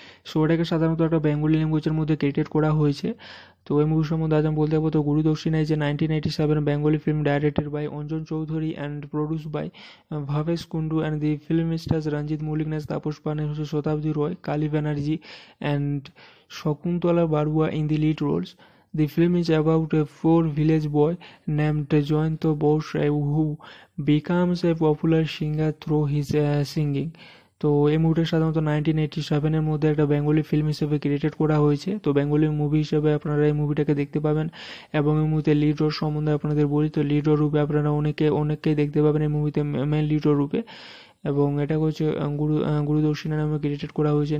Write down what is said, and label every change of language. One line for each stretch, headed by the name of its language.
Bangla: So এটাকে সাধারণত একটা বেঙ্গলি ল্যাঙ্গুয়েজের মধ্যে ক্রিয়েটেড করা হয়েছে। তো এই মুভি সম্বন্ধে আজ আমি বলতে যাবো। তো গুরুদক্ষিণা যে 1997 Bengali film,
English: Directed by Anjan Chowdhury and produce by Bhabesh Kundu, and the film stars Ranjit Mallick, ness Tapas Pal, হচ্ছে Satabdi Roy, Kali Banerjee and Shakuntala Barua in the lead roles. The film is about a poor village boy named Jayanta Bose who becomes a popular singer through his singing.
Bangla: তো এই মুভিটা সাধারণত 1987 মধ্যে একটা Bengali film হিসেবে created করা হয়েছে। তো বেঙ্গলি মুভি হিসেবে আপনারা এই মুভিটাকে দেখতে পাবেন। এবং এই মুভিতে লিড রোল সম্বন্ধে আপনাদের বলি, তো লিড রোল রূপে আপনারা অনেককেই দেখতে পাবেন এই মুভিতে, মেন লিড রোল রূপে। এবং এটা হচ্ছে গুরুদক্ষিণা নামে ক্রিয়েটেড করা হয়েছে।